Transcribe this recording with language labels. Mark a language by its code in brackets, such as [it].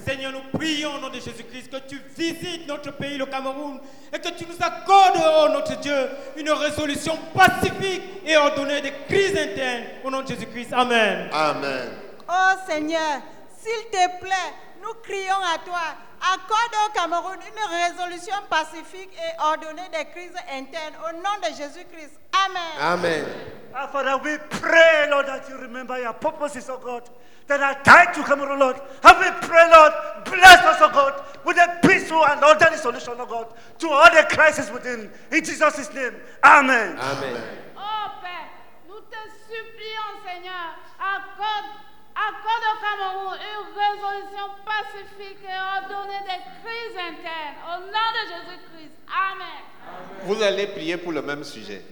[fr] Seigneur, nous prions au nom de Jésus-Christ que tu visites notre pays, le Cameroun, et que tu nous accordes, oh notre Dieu, une résolution pacifique et ordonnée des crises internes. Au nom de Jésus-Christ. Amen. Amen. Oh Seigneur, s'il te plaît, nous crions à toi. Accorde au Cameroun une résolution pacifique et ordonnée des crises internes. Au nom de Jésus-Christ. Amen. Amen. [en] Our Father, we pray, Lord, that you remember your purposes, oh God, that are tied to Cameroon, Lord. And we pray, Lord, bless us, oh God, with a peaceful and orderly solution, oh God, to all the crises within. In Jesus' name, amen. Amen. Amen. [fr] Oh, Père, nous te supplions, Seigneur, accorde au Cameroun une résolution pacifique et ordonnée des crises internes. Au nom de Jésus-Christ, amen. Vous allez prier pour le même sujet.